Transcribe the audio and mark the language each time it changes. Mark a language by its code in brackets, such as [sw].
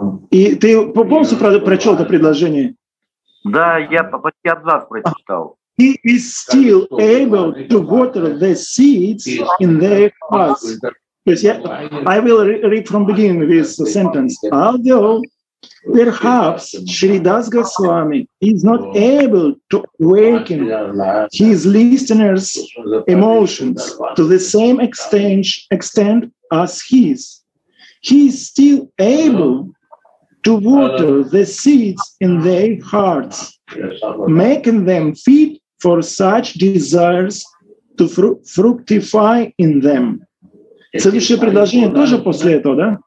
[ru] И ты полностью прочел это предложение? Да, я почти абзац прочитал. [en] He is still able to water the seeds in their hearts. I will read from beginning this sentence. Although perhaps Shri Das Goswami is not able to awaken his listeners' emotions to the same extent as his, he is still able to water the seeds in their hearts, making them fit for such desires to fructify in them. [ru] Следующее предложение тоже после этого, да?